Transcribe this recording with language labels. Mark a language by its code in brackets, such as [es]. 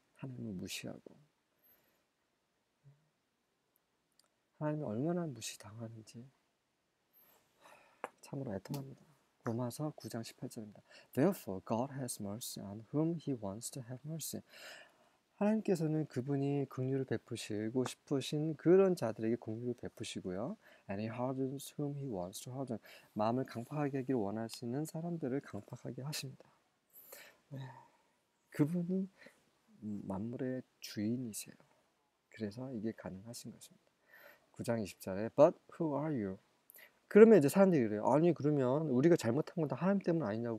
[ko] 하나님을 무시하고 하나님이 얼마나 무시당하는지 참으로 애통합니다. 로마서 9장 18절입니다. [en] Therefore God has mercy on whom He wants to have mercy. [ko] 하나님께서는 그분이 긍휼을 베푸시고 싶으신 그런 자들에게 긍휼을 베푸시고요. [en] And he hardens whom he wants to harden. [ko] 마음을 강팍하게 하기를 원하시는 사람들을 강팍하게 하십니다. 그분이 만물의 주인이세요. 그래서 이게 가능하신 것입니다. 9장 20절에 [en] But who are you? [ko] 그러면 이제 사람들이 그래요. 아니 그러면 우리가 잘못한 건다 하나님 때문 아니냐고.